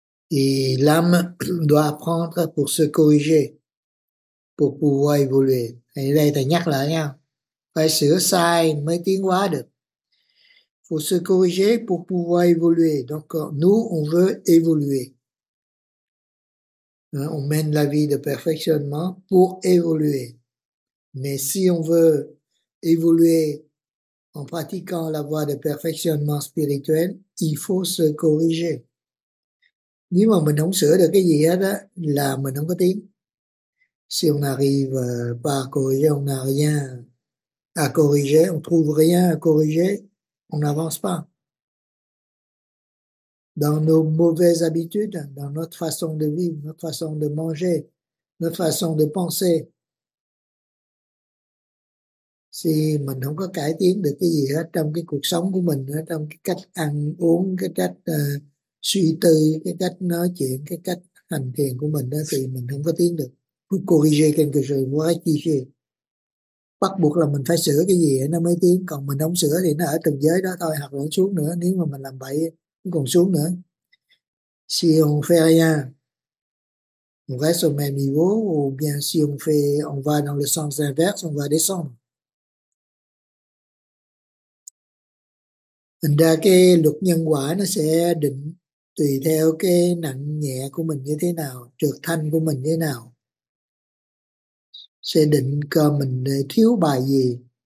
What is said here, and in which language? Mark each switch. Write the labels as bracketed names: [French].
[French] Et l'âme doit apprendre pour se corriger, pour pouvoir évoluer. [Vietnamese] Thầy đây thầy nhắc lại nha. Phải sửa sai mới tiến hóa được. [French] Faut se corriger pour pouvoir évoluer. Donc, nous, on veut évoluer. On mène la vie de perfectionnement pour évoluer. Mais si on veut évoluer en pratiquant la voie de perfectionnement spirituel, il faut se corriger. [Vietnamese] Nếu mà mình không sửa được cái gì hết á, là mình không có tiến. [French] Si on n'arrive pas à corriger, on n'a rien à corriger, on trouve rien à corriger. On n'avance pas. Dans nos mauvaises habitudes, dans notre façon de vivre, notre façon de manger, notre façon de penser, [Vietnamese] si mình không có cải tiến được cái gì hết trong cái cuộc sống của mình, trong cái cách ăn uống, cái cách suy tư, cái cách nói chuyện, cái cách hành thiền của mình, thì mình không có tiến được. [French] Corriger quelque chose, voir qui c'est. [Vietnamese] Bắt buộc là mình phải sửa cái gì nó mới tiến, còn mình không sửa thì nó ở từng giới đó thôi, hoặc là xuống nữa nếu mà mình làm bậy nó còn xuống nữa. [French] Si on fait rien, on reste au même niveau, ou bien si on fait, on va dans le sens inverse, on va descendre. [Vietnamese] Thành ra cái luật nhân quả nó sẽ định tùy theo cái nặng nhẹ của mình như thế nào, trược thanh của mình như thế nào, sẽ định cơ mình thiếu bài gì.